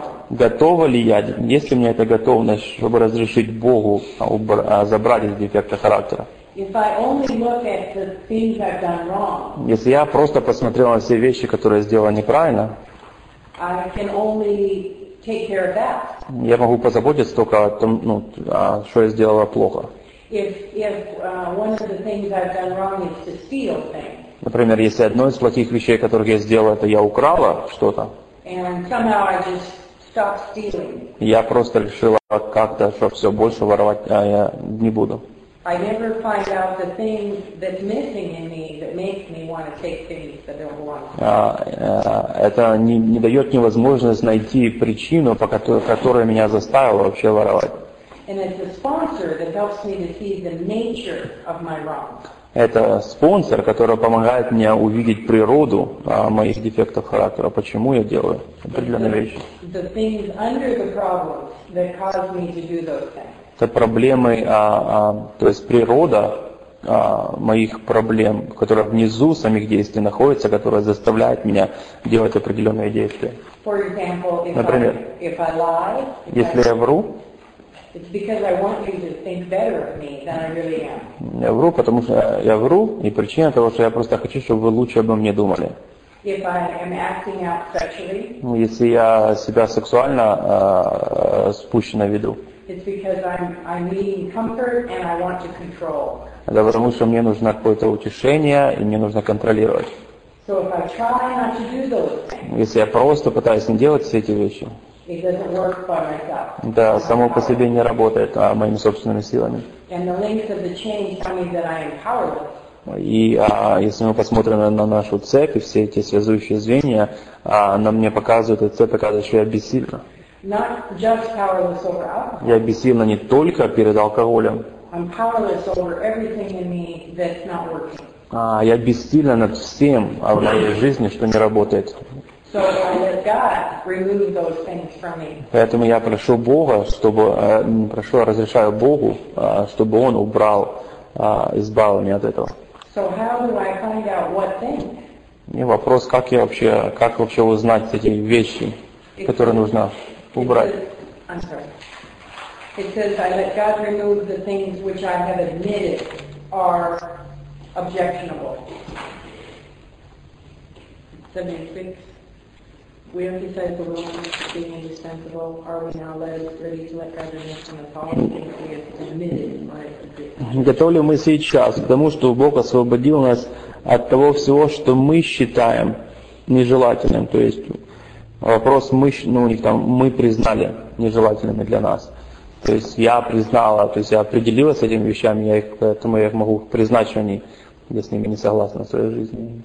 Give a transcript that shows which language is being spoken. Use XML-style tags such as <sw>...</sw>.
<ru>Готова ли я, есть ли у меня эта готовность, чтобы разрешить Богу забрать эти дефекты характера?</ru> <en>If I only look at the things I've done wrong,</en> <ru>если я просто посмотрел на все вещи, которые я сделал неправильно,</ru> <en>I can only take care of that.</en> <ru>Я могу позаботиться только о том, что я сделала плохо.</ru> <en>One of the things I've done wrong is to steal things.</en> <ru>Например, если одно из плохих вещей, которые я сделала, это я украла что-то.</ru> <en>And somehow I just stop stealing.</en> <ru>Я просто решила как-то, что все больше воровать, а я не буду.</ru> <en>I never find out the thing that's missing in me that makes me want to take things that don't belong.</en> <ru>Это не дает мне возможность найти причину, по которой меня заставило вообще воровать.</ru> <en>And it's the sponsor that helps me to see the nature of my wrong.</en> <ru>Это спонсор, который помогает мне увидеть природу моих дефектов характера, почему я делаю определенные вещи.</ru> <en>The things under the problems that cause me to do those things.</en> <ru>Это проблемы, то есть природа моих проблем, которая внизу самих действий находится, которая заставляет меня делать определенные действия.</ru> <en>For example,</en> <ru>например,</ru> <en>if I lie, if</en> <ru>если я вру,</ru> <en>it's because I want you to think better of me than I really am.</en> <ru>Я вру, потому что я вру, и причина того, что я просто хочу, чтобы вы лучше обо мне думали.</ru> <en>If I am acting out sexually,</en> <ru>если я себя сексуально спущенно веду,</ru> <en>it's because I'm needing comfort and I want to control.</en> <ru>Да, потому что мне нужно какое-то утешение и мне нужно контролировать.</ru> <en>So if I try not to do those things,</en> <ru>если я просто пытаюсь не делать все эти вещи.</ru> <en>It doesn't work by myself.</en> <ru>Да, само по себе не работает, а моими собственными силами.</ru> <en>And the length of the chain tell me that I am powerless.</en> <ru>И если мы посмотрим на нашу цепь и все эти связующие звенья, она мне показывает, эта цепь показывает, что я бессильна.</ru> <en>Not just powerless over alcohol.</en> <ru>Я бессильна не только перед алкоголем.</ru> <en>I'm powerless over everything in me that's not working.</en> <ru>Я бессильна над всем в моей жизни, что не работает.</ru> <en>So I let God remove those things from me.</en> <ru>Поэтому я прошу Бога, чтобы прошу, разрешаю Богу, чтобы Он убрал, избавил меня от этого.</ru> <en>So how do I find out what things?</en> <ru>И вопрос, как вообще узнать эти вещи, которые нужно убрать?</ru> <en>I'm sorry. It says I let God remove the things which I have admitted are objectionable. 76. We emphasize the wrongness being indispensable. Are we now ready to let God remove some of the false things we have admitted?</en> <ru>Готовы ли мы сейчас к тому, что Бог освободил нас от того всего, что мы считаем нежелательным? То есть вопрос мы признали нежелательными для нас. То есть я признала, то есть я определилась с этими вещами, поэтому я их могу признать, что они, я с ними не согласна в своей жизни.</ru>